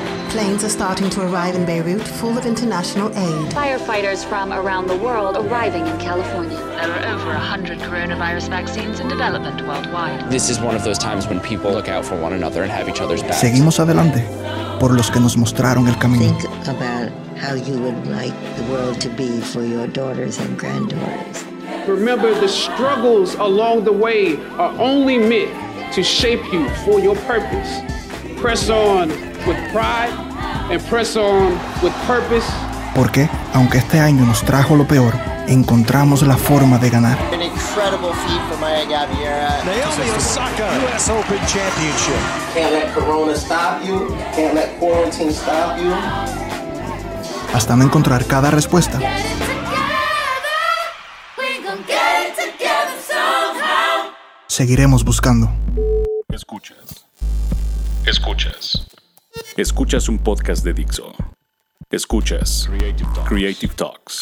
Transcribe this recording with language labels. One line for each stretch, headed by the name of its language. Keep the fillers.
English: Planes are starting to arrive in Beirut full of international aid. Firefighters from around the world arriving in California. There are over 100 coronavirus vaccines in development worldwide. This is one of those times when people look out for one another and have each other's backs.
Spanish: Seguimos adelante por los que nos mostraron el camino.
English: Think about how you would like the world to be for your daughters and granddaughters. Remember the struggles along the way are only meant to shape you for your purpose. Press on. with pride and press on with purpose.
Spanish: Porque, aunque este año nos trajo lo peor, encontramos la forma de ganar.
English: An incredible feat for Maya Gaviera. Naomi Osaka, U.S. Open Championship. Can't let Corona stop you. Can't let quarantine stop you.
Spanish: Hasta no encontrar cada respuesta.
English: Get it together. We're gonna get it together somehow.
Spanish: Seguiremos buscando. Escuchas. Escuchas. Escuchas un podcast de Dixo. Escuchas Creative Talks. Creative Talks.